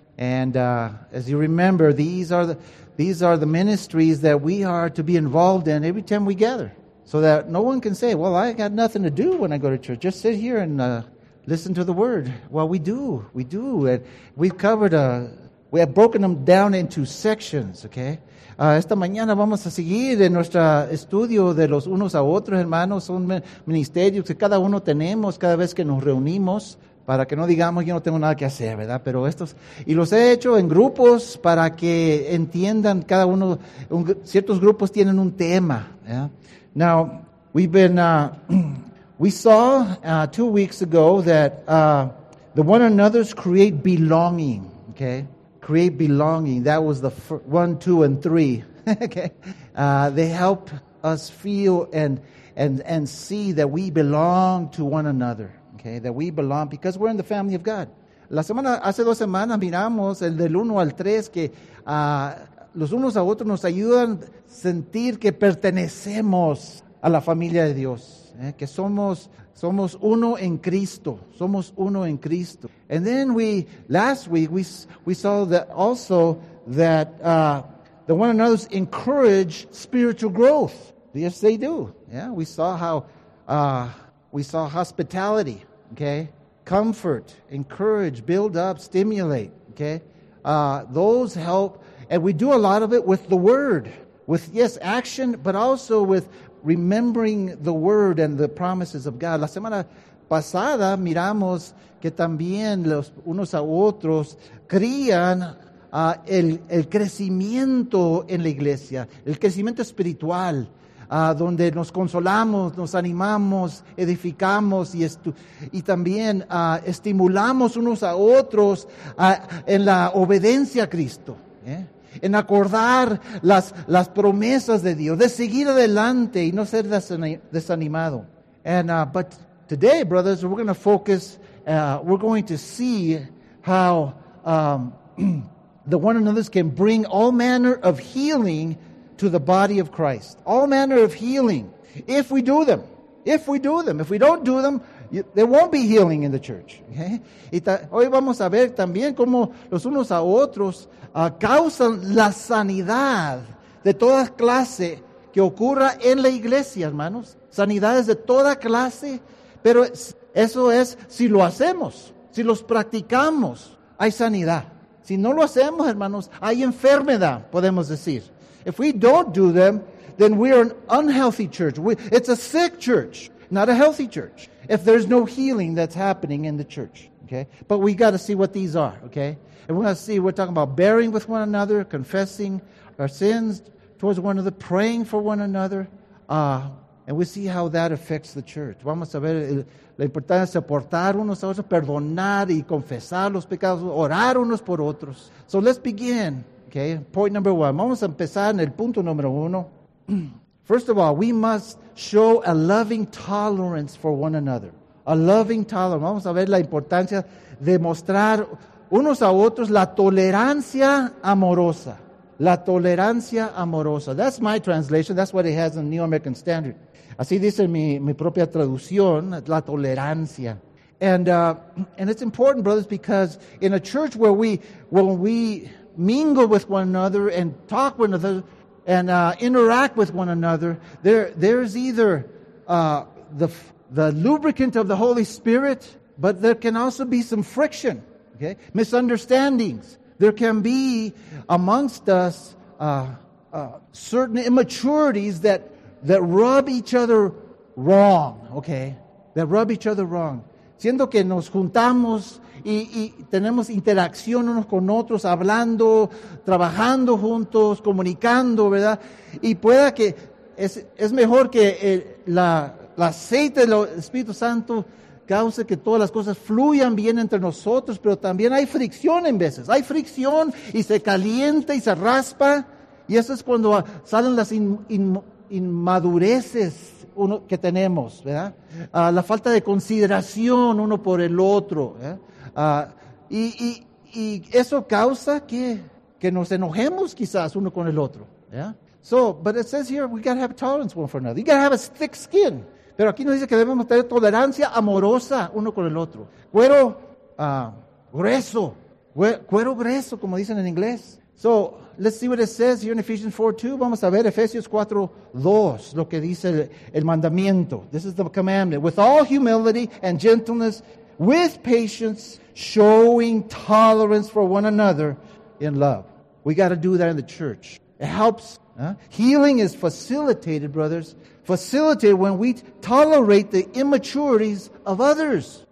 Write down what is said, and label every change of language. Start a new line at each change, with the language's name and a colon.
English: And as you remember, these are the ministries that we are to be involved in every time we gather, so that no one can say, well, I got nothing to do when I go to church. Just sit here and listen to the word. Well, we do. And we have broken them down into sections, okay?
Spanish: Esta mañana vamos a seguir en nuestro estudio de los unos a otros, hermanos, un ministerio que cada uno tenemos cada vez que nos reunimos, para que no digamos yo no tengo nada que hacer, ¿verdad? Pero estos, y los he hecho en grupos para que entiendan cada uno, ciertos grupos tienen un tema.
English: Yeah? Now, we saw 2 weeks ago that the one another's create belonging, okay? Create belonging. That was the one, two, and three. Okay, they help us feel and see that we belong to one another. Okay, that we belong because we're in the family of God.
Spanish: La semana hace dos semanas miramos el del uno al tres que los unos a otros nos ayudan sentir que pertenecemos a la familia de Dios. Que somos uno en Cristo. Somos uno en Cristo.
English: And then last week we saw that also that the one another's encourage spiritual growth. Yes, they do. Yeah, we saw hospitality. Okay, comfort, encourage, build up, stimulate. Okay, those help, and we do a lot of it with the word. With yes, action, but also with remembering the word and the promises of God.
Spanish: La semana pasada miramos que también los unos a otros crían el crecimiento en la iglesia, el crecimiento espiritual, donde nos consolamos, nos animamos, edificamos y también estimulamos unos a otros en la obediencia a Cristo. ¿Eh? En acordar las promesas de Dios, de seguir adelante y no ser desanimado.
English: And but today, brothers, we're going to focus. We're going to see how the one another's can bring all manner of healing to the body of Christ. All manner of healing, if we do them. If we do them. If we don't do them, there won't be healing in the church. Okay?
Spanish: Hoy vamos a ver también cómo los unos a otros causan la sanidad de toda clase que ocurra en la iglesia, hermanos. Sanidades de toda clase, pero eso es si lo hacemos, si los practicamos, hay sanidad. Si no lo hacemos, hermanos, hay enfermedad, podemos decir.
English: If we don't do them, then we are an unhealthy church. It's a sick church, not a healthy church. If there's no healing that's happening in the church, okay? But we got to see what these are, okay? And we're going to see, we're talking about bearing with one another, confessing our sins towards one another, praying for one another, and we see how that affects the church.
Spanish: Vamos a ver la importancia de soportar unos a otros, perdonar y confesar los pecados, orar unos por otros.
English: So let's begin, okay? Point number one.
Spanish: Vamos a empezar en el punto número uno.
English: First of all, we must show a loving tolerance for one another. A loving tolerance.
Spanish: Vamos a ver la importancia de mostrar unos a otros la tolerancia amorosa. La tolerancia amorosa.
English: That's my translation. That's what it has in the New American Standard.
Spanish: Así dice mi propia traducción, la tolerancia.
English: And it's important, brothers, because in a church where when we mingle with one another and talk with another, and interact with one another, there's either the lubricant of the Holy Spirit, but there can also be some friction, okay? Misunderstandings. There can be amongst us certain immaturities that rub each other wrong, okay? That rub each other wrong.
Spanish: Siendo que nos juntamos y tenemos interacción unos con otros, hablando, trabajando juntos, comunicando, ¿verdad? Y pueda que es mejor que el aceite del Espíritu Santo cause que todas las cosas fluyan bien entre nosotros, pero también hay fricción en veces. Hay fricción y se calienta y se raspa, y eso es cuando salen las inmadureces uno que tenemos, ¿verdad? La falta de consideración uno por el otro, y eso causa que nos enojemos quizás uno con el otro, ¿verdad?
English: So, but it says here we gotta have tolerance one for another. You gotta have a thick skin.
Spanish: Pero aquí nos dice que debemos tener tolerancia amorosa uno con el otro. Cuero grueso. Cuero grueso, como dicen en inglés.
English: So, let's see what it says here in Ephesians 4:2.
Spanish: Vamos a ver Efesios 4:2, lo que dice el mandamiento.
English: This is the commandment. With all humility and gentleness, with patience, showing tolerance for one another in love. We got to do that in the church. It helps. Healing is facilitated, brothers. Facilitated when we tolerate the immaturities of others.